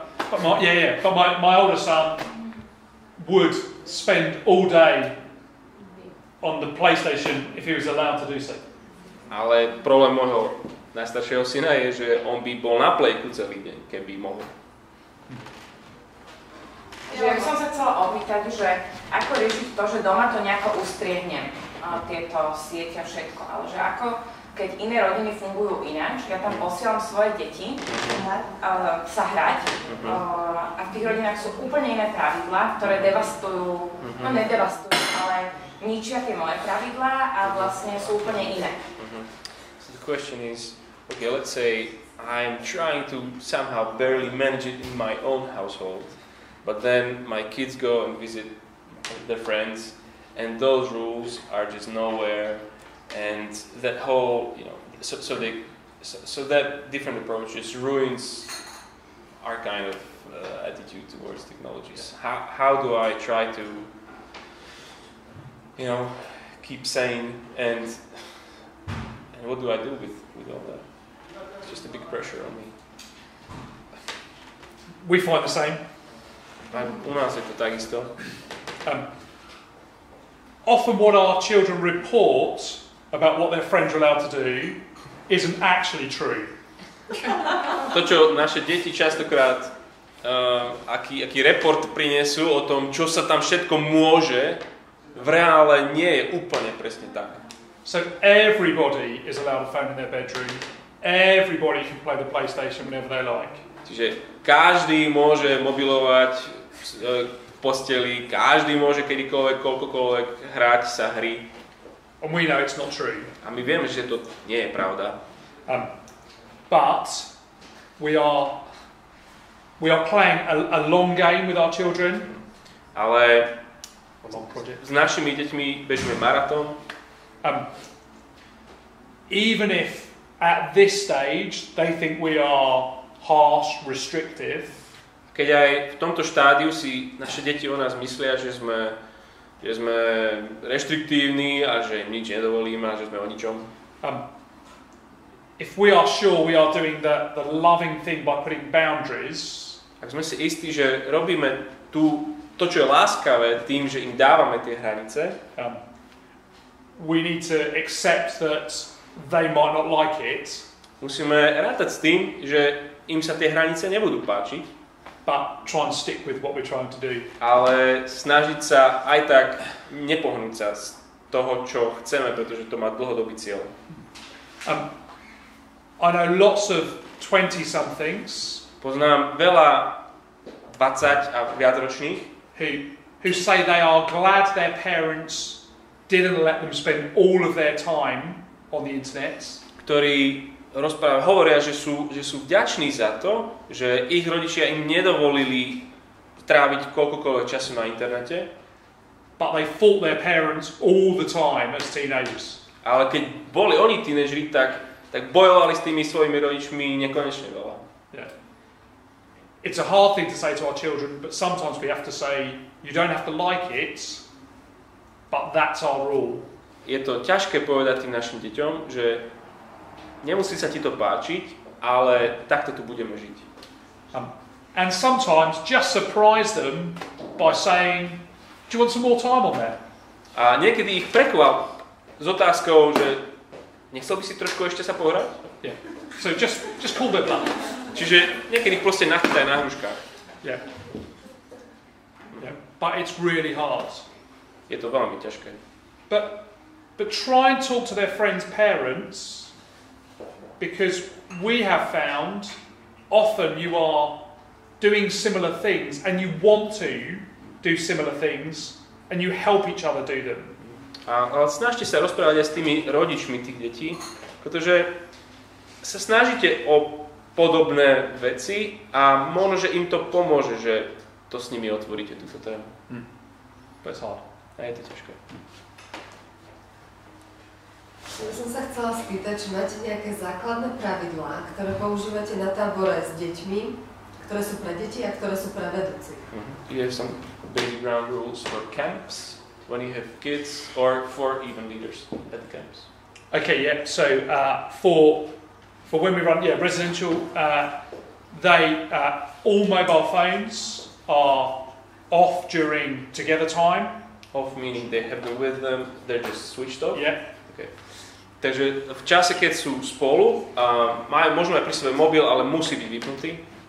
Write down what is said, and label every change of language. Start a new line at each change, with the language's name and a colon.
English: But my older son would spend all day on the PlayStation if he was allowed to do so.
Slovak: Ale problém môjho najstaršieho syna je, že on by bol na plejku celý deň, keby mohol. Ja by som sa chcela opýtať, že ako riešiť to, že doma to nejako ustriehnem, tieto siete a všetko, ale že ako, keď iné rodiny fungujú ináč, ja tam posielam svoje deti sa hrať a v tých rodinách sú úplne iné pravidlá, ktoré devastujú, no nedevastujú, ale ničia tie moje pravidlá a vlastne sú úplne iné.
English: So the question is, okay, let's say I'm trying to somehow barely manage it in my own household, but then my kids go and visit their friends, and those rules are just nowhere, and that whole, you know, so that different approach just ruins our kind of attitude towards technologies. How do I try to, you know, keep sane and... And what do I do with all that? It's just a big pressure on me. We fight the same.
Slovak: U nás je to takisto.
English: Often what our children report about what their friends are allowed to do isn't actually true.
Slovak: To, čo naše deti častokrát aký report prinesú o tom, čo sa tam všetko môže, v reále nie je úplne presne tak.
English: So everybody is allowed a phone in their bedroom. Everybody can play the PlayStation whenever they like.
Slovak: Čiže každý môže mobilovať v posteli, každý môže kedykoľvek, koľkokoľvek hrať sa hry.
English: And we know it's not true.
Slovak: A my vieme, že to nie je pravda.
English: But we are playing a long game with our children.
Slovak: Ale s našimi deťmi bežíme maratón.
English: Even if at this stage they think we are harsh, restrictive.
Slovak: Keď aj v tomto štádiu si naše deti o nás myslia, že sme restriktívni a že im nič nedovolíme a že sme o ničom.
English: If we are sure we are doing the loving thing by putting boundaries.
Slovak: Ak sme si istí, že robíme to, čo je láskavé, tým, že im dávame tie hranice.
English: We need to accept that they might not like it.
Slovak: Musíme rátať s tým, že im sa tie hranice nebudú páčiť.
English: But try and stick with what we're trying to do.
Slovak: Ale snažiť sa aj tak nepohnúť sa z toho, čo chceme, pretože to má dlhodobý cieľ.
English: I know lots of 20 somethings.
Slovak: Poznám veľa 20 a viac ročných.
English: Who say they are glad their parents didn't let them spend all of their time on the internet.
Slovak: Ktorí hovoria, že sú vďační za to, že ich rodičia im nedovolili tráviť koľkokoľvek času na internete.
English: But they fought their parents all the time as teenagers.
Slovak: Ale keď boli oni tínedžeri, tak bojovali s tými svojimi rodičmi nekonečne veľa.
English: Yeah. It's a hard thing to say to our children, but sometimes we have to say you don't have to like it, but that's our rule.
Slovak: Je to ťažké povedať tým našim deťom, že nemusí sa ti to páčiť, ale takto tu budeme žiť.
English: And sometimes just surprise them by saying, do you want some more time on there?
Slovak: A niekedy ich prekvap s otázkou, že nechcel by si trošku ešte sa pohrať?
English: Yeah. So just pull them up.
Slovak: Čiže niekedy ich proste nachytaj na hruškách.
English: Yeah. Yeah. But it's really hard.
Slovak: Je to veľmi ťažké.
English: But try and talk to their friends' parents. Because we have found often you are doing similar things and you want to do similar things and you help each other do them.
Slovak: A snažte sa rozprávať aj s tými rodičmi tých detí, pretože sa snažíte o podobné veci a možno, že im to pomôže, že to s nimi otvoríte, túto tému. To je hard. A je to ťažké. Ja som sa chcela spýtať, či máte nejaké základné pravidlá, ktoré používate na tábore s deťmi, ktoré sú pre deti a ktoré sú pre vedúci.
English: Do you have some basic ground rules for camps when you have kids or for even leaders at the camps? Okay, yeah. So for when we run residential, all mobile phones are off during together time. Off meaning they have them with them, they're just switched off. Yeah. Okay.
Slovak: Takže v čase, keď sú spolu, možno aj pri sebe mobil, ale musí byť vypnutý.